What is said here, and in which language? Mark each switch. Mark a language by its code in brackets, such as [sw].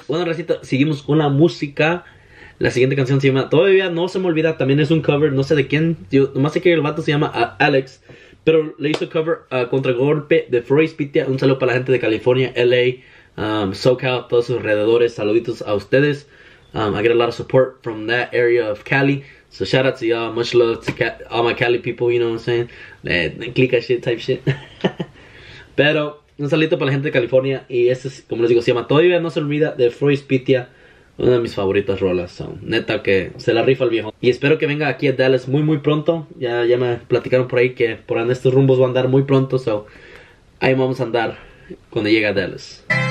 [es] Bueno, racita, seguimos con la música. La siguiente canción se llama Todavía No Se Me Olvida. También es un cover, no sé de quién. Yo nomás sé que el vato se llama Alex. Pero le hizo cover a Contragolpe de Froy Spitia. Un saludo para la gente de California, LA, SoCal, todos sus alrededores. Saluditos a ustedes. [en] I get a lot of support from that area of Cali. So shout out to y'all, much love to all my Cali people, you know what I'm saying? [es] Click a shit type shit. Pero, un saludito para la gente de California. Y este es, como les digo, se llama Todavía No Se Olvida, de Froy Spitia. Una de mis favoritas rolas, so, neta que se la rifa el viejo. Y espero que venga aquí a Dallas muy muy pronto. Ya me platicaron por ahí que por en estos rumbos va a andar muy pronto. So, ahí vamos a andar cuando llegue a Dallas.